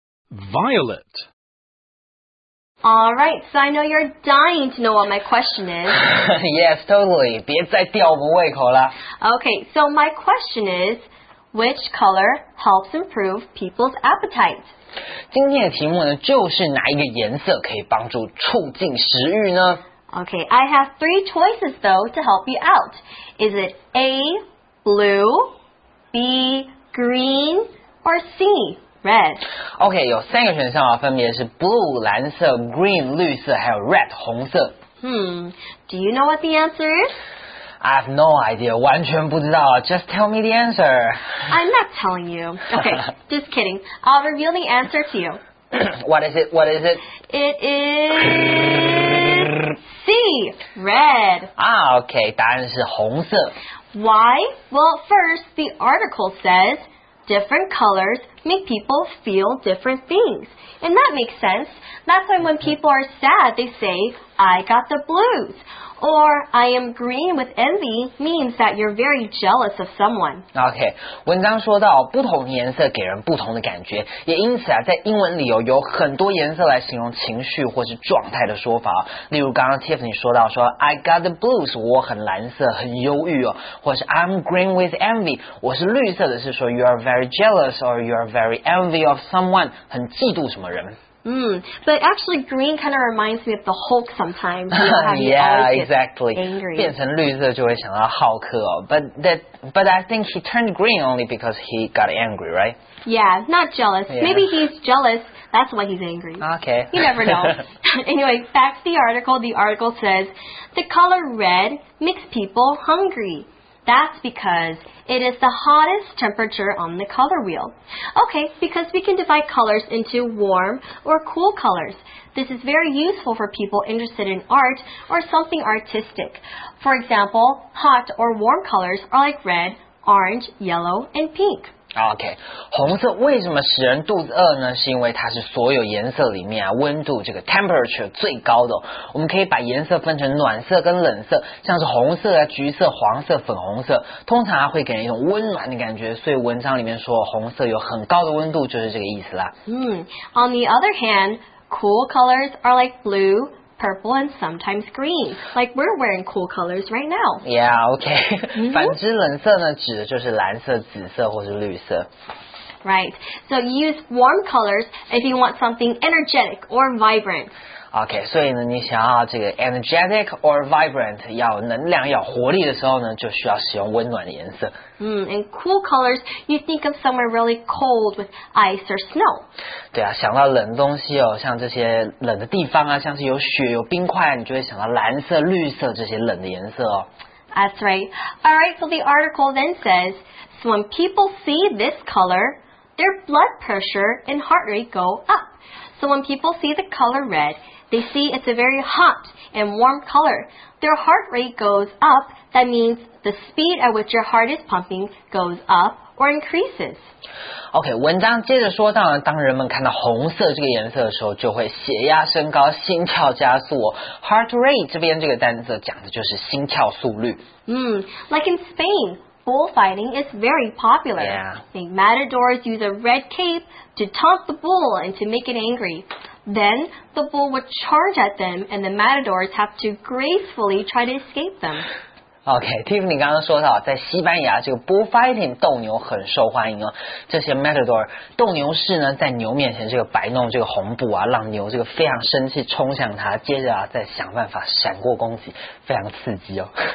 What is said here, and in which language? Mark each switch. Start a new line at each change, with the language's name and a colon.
English: Violet. All right, so I know you're dying to know what my question is. Yes, totally.
Chinese: 别再吊不胃口了。
English: Okay, so my question is, which color helps improve people's appetite?
Chinese: 今天的题目呢，就是哪一个颜色可以帮助促进食欲呢
English: ？Okay, I have three choices though to help you out. Is it A, blue, B, green, or C, red?
Chinese: Okay, 有三个选项啊，分别是 blue 蓝色、green 绿色，还有 red 红色。
English: Do you know what the answer is? I have no idea,
Chinese: 完全不知道
English: Just tell me the answer. I'm not telling you. Okay, just kidding. I'll reveal the answer to you. What is it? What is it? It is... C, red.
Chinese: Ah, okay, 答案是红色。
English: Why? Well, first, the article says, different colors make people feel different things. And that makes sense. That's why when people are sad, they say, I got the blues. Or, I am green with envy means that you're very jealous of someone.
Chinese: Okay, 文章说到不同颜色给人不同的感觉，也因此啊，在英文里哦，有很多颜色来形容情绪或是状态的说法。例如刚刚 Tiffany 说到说
English: I got the blues,
Chinese: 我很蓝色，很忧郁哦，或是
English: I'm green with envy,
Chinese: 我是绿色的，是说
English: you are very jealous or you are very envy of someone,
Chinese: 很嫉妒什么人。
English: But actually green kind of reminds me of the Hulk sometimes. Yeah, exactly. Angry.
Chinese: 变成绿色就会想到浩克哦。
English: But I think he turned green only because he got angry, right? Yeah, not jealous. Yeah. Maybe he's jealous That's why he's angry. Okay. You never know. Anyway, back to the article. The article says, the color red makes people hungry. That's because it is the hottest temperature on the color wheel. Okay, because we can divide colors into warm or cool colors. This is very useful for people interested in art or something artistic. For example, hot or warm colors are like red, orange, yellow, and pink.
Chinese: OK, 红色为什么使人肚子饿呢？是因为它是所有颜色里面啊温度这个 temperature 最高的、哦、我们可以把颜色分成暖色跟冷色，像是红色、啊、橘色、黄色、粉红色，通常、啊、会给人一种温暖的感觉，所以文章里面说红色有很高的温度就是这个意思啦。
English: On the other hand, cool colors are like blue, purple, and sometimes green. Like we're wearing cool colors right now. Yeah, okay.
Chinese: 反之冷色呢，指的就是蓝色、紫色或是绿色。
English: Right. So use warm colors if you want something energetic or vibrant.
Chinese: Okay, 所以呢，你想要这个
English: energetic or vibrant,
Chinese: 要能量、要活力的时候呢，就需要使用温暖的颜色。
English: And cool colors, you think of somewhere really cold with ice or snow.
Chinese: 对啊，想到冷东西哦，像这些冷的地方啊，像是有雪、有冰块，你就会想到蓝色、绿色这些冷的颜色哦。
English: That's right. All right, so the article then says, so when people see this color, their blood pressure and heart rate go up. So when people see the color red, they see it's a very hot and warm color. Their heart rate goes up. That means the speed at which your heart is pumping goes up or increases.
Chinese: OK, 文章接着说到呢，当人们看到红色这个颜色的时候，就会血压升高，心跳加速。 Heart rate 这边这个单字讲的就是心跳速率。
English: Like in Spain,bullfighting is very popular. Yeah. The matadors use a red cape to taunt the bull and to make it angry. Then the bull would charge at them and the matadors have to gracefully try to escape them.
Chinese: Okay, Tiffany 刚刚说到在西班牙这个 bullfighting 斗牛很受欢迎、哦、这些 matador 斗牛士呢在牛面前这个摆弄这个红布啊，让牛这个非常生气冲向他，接着啊再想办法闪过攻击，非常刺激哦。